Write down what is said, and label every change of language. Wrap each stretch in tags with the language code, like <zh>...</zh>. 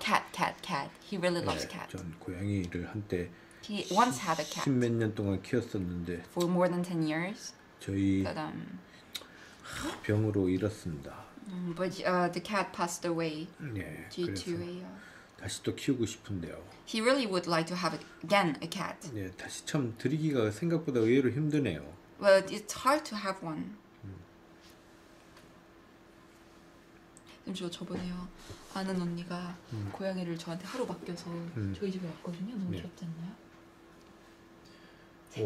<en>Cat. He really loves cat.</en> <ko>전 고양이를 한때</ko> <en>He once had a cat.</en> <ko>십몇 년 동안 키웠었는데.</ko> <en>For more than 10 years.</en> <ko>저희 병으로 잃었습니다.</ko> <en>But the cat passed away.</en> <ko>네, 그래서 다시 또 키우고 싶은데요.</ko> <en>He really would like to have again a cat.</en> <ko>네, 다시 참 들이기가 생각보다 의외로 힘드네요.</ko> <en>Well, it's hard to have one.</en> <ko>저 저번에요 아는 언니가 고양이를 저한테 하루 맡겨서 저희 집에 왔거든요. 너무 귀엽지 않나요?</ko>